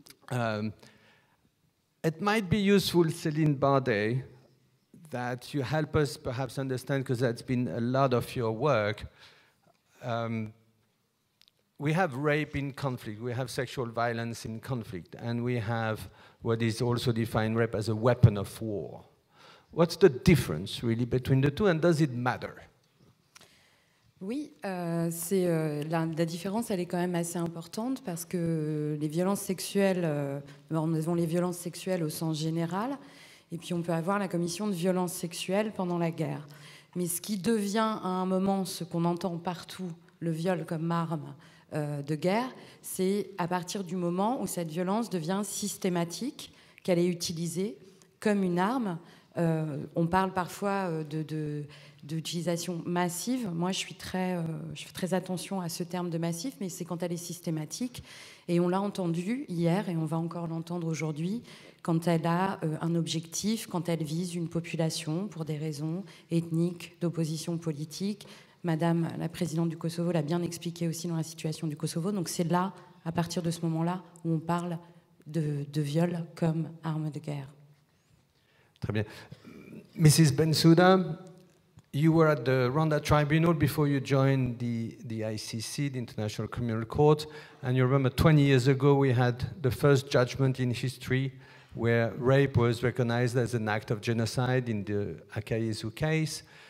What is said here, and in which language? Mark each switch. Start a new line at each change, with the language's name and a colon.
English: It might be useful, Céline Bardet, that you help us perhaps understand, because that's been a lot of your work. We have rape in conflict, we have sexual violence in conflict, and we have what is also defined, rape, as a weapon of war. What's the difference, really, between the two, and does it matter?
French: Oui, la différence, elle est quand même assez importante, parce que les violences sexuelles, nous avons les violences sexuelles au sens général, et puis on peut avoir la commission de violences sexuelles pendant la guerre. Mais ce qui devient à un moment ce qu'on entend partout, le viol comme arme de guerre, c'est à partir du moment où cette violence devient systématique, qu'elle est utilisée comme une arme. On parle parfois d'utilisation massive. Moi, je fais très attention à ce terme de massif, mais c'est quand elle est systématique. Et on l'a entendu hier, et on va encore l'entendre aujourd'hui, quand elle a un objectif, quand elle vise une population pour des raisons ethniques, d'opposition politique. Madame la présidente du Kosovo l'a bien expliqué aussi dans la situation du Kosovo. Donc c'est là, à partir de ce moment-là, où on parle de viol comme arme de guerre. Très bien.
English: Mrs. Bensouda, you were at the Rwanda Tribunal before you joined the ICC, the International Criminal Court, and you remember 20 years ago we had the first judgment in history where rape was recognized as an act of genocide in the Akayesu case.